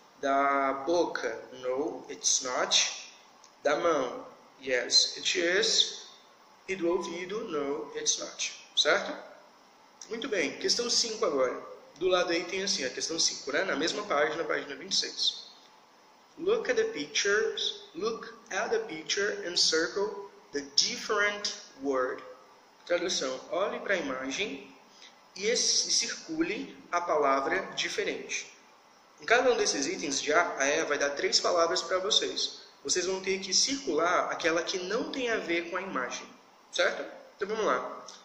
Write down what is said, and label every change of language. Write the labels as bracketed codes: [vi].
[pt] Da boca, [en] no, it's not. [pt] Da mão, [en] yes, it is. [pt] E do ouvido, [en] no, it's not. [pt] Certo? Muito bem. Questão 5 agora. Do lado aí tem assim, a questão 5, né? Na mesma página, página 26. [en] Look at the pictures. Look at the picture and circle the different word. [pt] Tradução: olhe para a imagem e circule a palavra diferente. Em cada um desses itens, já a Eva vai dar três palavras para vocês. Vocês vão ter que circular aquela que não tem a ver com a imagem. Certo? Então vamos lá.